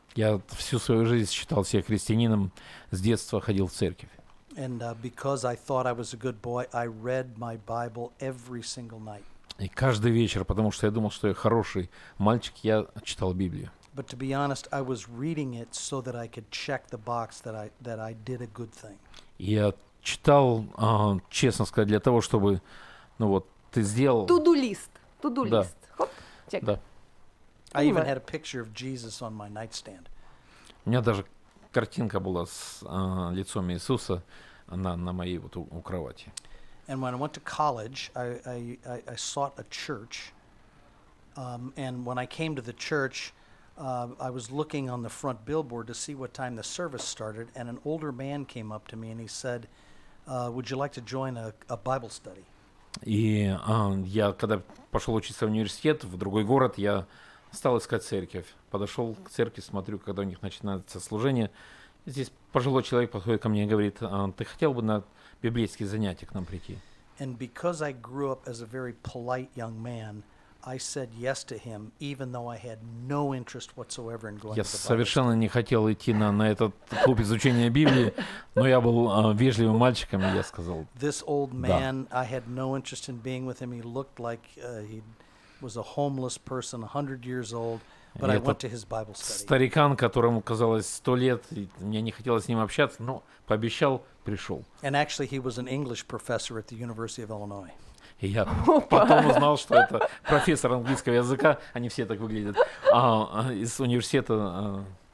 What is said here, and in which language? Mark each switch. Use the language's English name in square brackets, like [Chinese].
[Russian] Я всю свою жизнь считал себя христианином, с детства ходил в церковь. [English] And because I thought I was a good boy, I read my Bible every single night. [Russian] И каждый вечер, потому что я думал, что я хороший мальчик, я читал Библию. [English] But to be honest, I was reading it so that I could check the box that I did a good thing. [Russian] Я читал, честно сказать, для того, чтобы, ну вот, ты сделал... [English] To-do list. To-do list. [Russian] Да. Хоп, чек. Да. [English] I even had a picture of Jesus on my nightstand. [Russian] У меня даже картинка была с лицом Иисуса на моей вот у кровати. [English] And when I went to college, I sought a church. And when I came to the church, I was looking on the front billboard to see what time the service started, and an older man came up to me and he said, "Would you like to join a Bible study?" [Russian] И я когда пошел учиться в университет в другой город, я стал искать церковь. Подошел к церкви, смотрю, когда у них начинается служение. Здесь пожилой человек подходит ко мне и говорит: "Ты хотел бы на библейские занятия к нам прийти?" [English] And because I grew up as a very polite young man, I said yes to him, even though I had no interest whatsoever in going. [Russian] Я совершенно не хотел идти на этот клуб изучения Библии, но я был вежливым мальчиком, и я сказал. [English] This old man, I had no interest in being with him. He looked like he was a homeless person, 100 years old, but I went to his Bible study. [Russian] Старикан, которому казалось 100 лет, мне не хотелось с ним общаться, но пообещал, пришел. [English] And actually, he was an English professor at the University of Illinois. [Russian] И я потом узнал, что это профессор английского языка, они все так выглядят, из университета